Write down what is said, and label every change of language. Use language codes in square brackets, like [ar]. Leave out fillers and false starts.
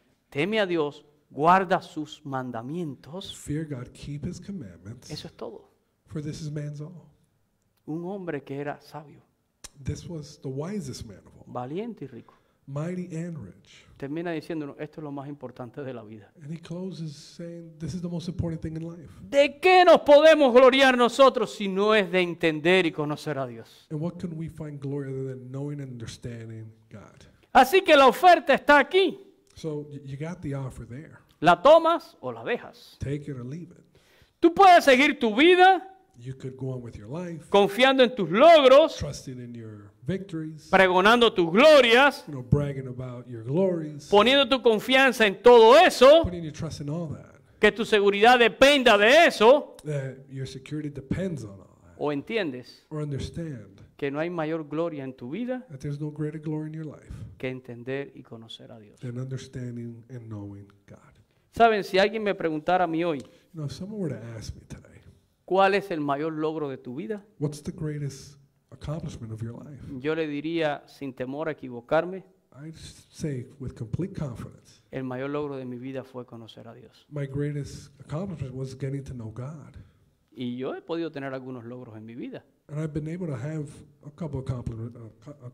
[es] Teme a Dios, guarda sus mandamientos. [en] Fear God, keep his commandments. [es] Eso es todo. [en] For this is man's all. [es] Un hombre que era sabio. [en] This was the wisest man of all. [es] Valiente y rico. [en] Mighty and rich. [es] Termina diciéndonos, esto es lo más importante de la vida. [en] And he closes saying, this is the most important thing in life. [es] ¿De qué nos podemos gloriar nosotros si no es de entender y conocer a Dios? [en] And what can we find glory other than knowing and understanding God? [es] Así que la oferta está aquí. [en] So you got the offer there. [es] ¿La tomas o la dejas? [en] Take it or leave it. [es] Tú puedes seguir tu vida. [en] You could go on with your life. [es] Confiando en tus logros. [en] Trusting in your victories. [es] Pregonando tus glorias. [en] You know, bragging about your glories. [es] Poniendo tu confianza en todo eso. [en] Putting your trust in all that. [es] Que tu seguridad dependa de eso. [en] That your security depends on all that. [es] O entiendes. [en] Or understand. [es] Que no hay mayor gloria en tu vida. [en] That there's no greater glory in your life. [es] Que entender y conocer a Dios. [en] Than understanding and knowing God. [es] Saben, si alguien me preguntara a mí hoy. [en] You know, if someone were to ask me today. [es] ¿Cuál es el mayor logro de tu vida? [en] What's the greatest accomplishment of your life? [es] Yo le diría, sin temor a equivocarme, [en] I'd say with complete confidence, [es] el mayor logro de mi vida fue conocer a Dios. [en] My greatest accomplishment was getting to know God. [es] Y yo he podido tener algunos logros en mi vida. [en] And I've been able to have a couple of accomplishments.